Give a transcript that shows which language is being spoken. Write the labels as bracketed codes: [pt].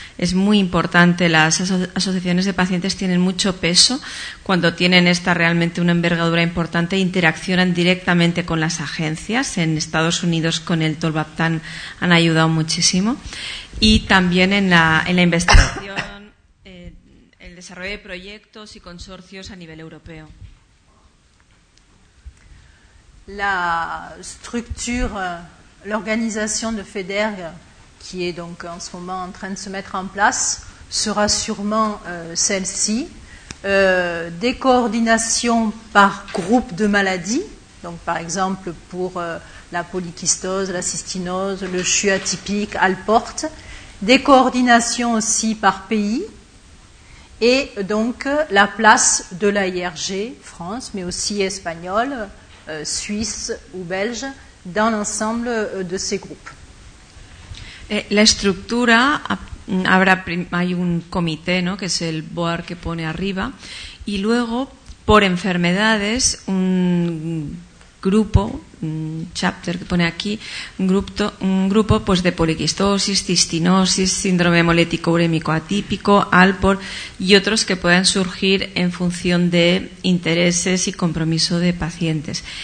[es] Es muy importante, las asociaciones de pacientes tienen mucho peso cuando tienen esta realmente una envergadura importante e interaccionan directamente con las agencias. En Estados Unidos con el Tolvaptan han ayudado muchísimo. Y también en la investigación, el desarrollo de proyectos y consorcios a nivel europeo. [fr] La structure, l'organisation de FEDER, qui est donc en ce moment en train de se mettre en place, sera sûrement celle-ci. Des coordinations par groupe de maladies, donc par exemple pour la polykystose, la cystinose, le CHU atypique, Alport. Des coordinations aussi par pays. Et donc la place de l'AIRG, France, mais aussi espagnole, Suisse ou Belge, dans l'ensemble de ces groupes. [es] La estructura, hay un comité, ¿no?, que es el BOAR que pone arriba, y luego, por enfermedades, un grupo, un chapter que pone aquí, un grupo pues de poliquistosis, cistinosis, síndrome hemolítico urémico atípico, ALPOR, y otros que puedan surgir en función de intereses y compromiso de pacientes.